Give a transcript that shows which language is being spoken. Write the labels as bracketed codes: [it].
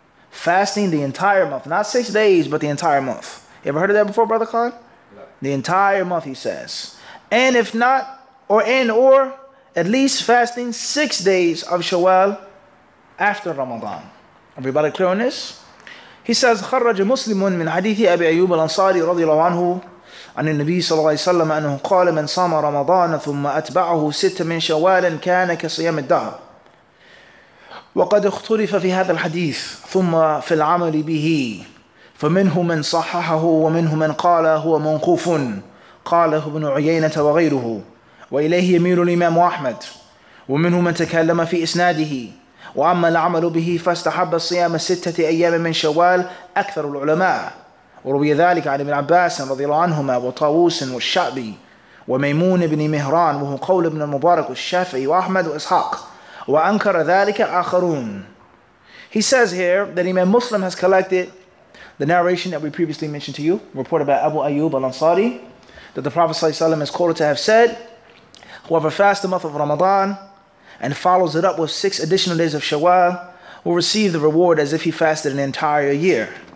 [en] Fasting the entire month. Not 6 days, but the entire month. You ever heard of that before, Brother Khan? No. The entire month, he says. And if not, or at least fasting 6 days of Shawwal after Ramadan. Everybody clear on this? He says, [ar] خرج مسلم من حديث أبي أيوب الأنصاري رضي الله عنه عن النبي صلى الله عليه وسلم أنه قال من صام رمضان ثم أتبعه ست من شوال كان كصيام الدهر وقد اختلف في هذا الحديث ثم في العمل به فمنه من صححه ومنه من قال هو منقوف قاله ابن عيينة وغيره وإليه يميل الإمام أحمد ومنه من تكلم في إسناده وأما العمل به فاستحب الصيام 6 أيام من شوال أكثر العلماء وروي ذلك عن ابن عباس رضي الله عنهما وطاووس والشعبي وميمون بن مهران وهو قول ابن المبارك والشافعي وأحمد وإسحاق وأنكر ذلك آخرون. [en] He says here that Imam Muslim has collected the narration that we previously mentioned to you, reported by Abu Ayyub al-Ansari, that the Prophet ﷺ is quoted to have said, whoever fasts the month of Ramadan and follows it up with 6 additional days of Shawwal will receive the reward as if he fasted an entire year.